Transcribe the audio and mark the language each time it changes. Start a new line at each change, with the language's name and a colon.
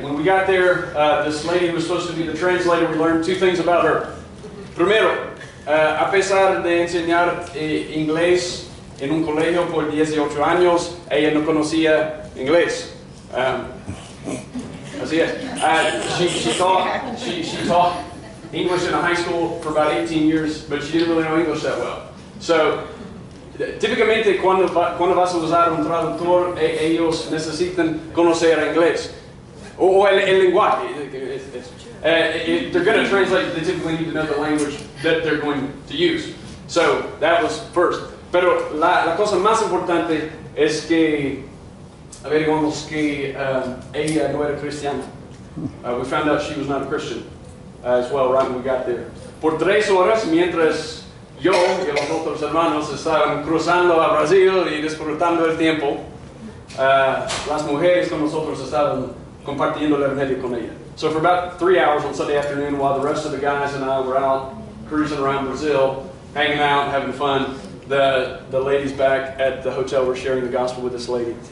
English: When we got there, this lady who was supposed to be the translator, we learned two things about her.
Spanish: Primero, a pesar de enseñar inglés en un colegio por 18 años, ella no conocía inglés. Así es.
English: She taught English in a high school for about 18 years, but she didn't really know English that well.
Spanish: So, típicamente cuando vas a usar un traductor, ellos necesitan conocer inglés o el lenguaje.
English: They're going to translate. They typically need to know the language that they're going to use. So that was first.
Spanish: Pero la cosa más importante es que averiguamos que ella no era cristiana.
English: We found out she was not a Christian. As well, right when we got there.
Spanish: Por tres horas, mientras yo y los otros hermanos estaban cruzando a Brasil y disfrutando el tiempo, las mujeres con nosotros estaban compartiendo el evangelio con ella.
English: So for about 3 hours on Sunday afternoon, while the rest of the guys and I were out cruising around Brazil, hanging out, having fun, the ladies back at the hotel were sharing the gospel with this lady.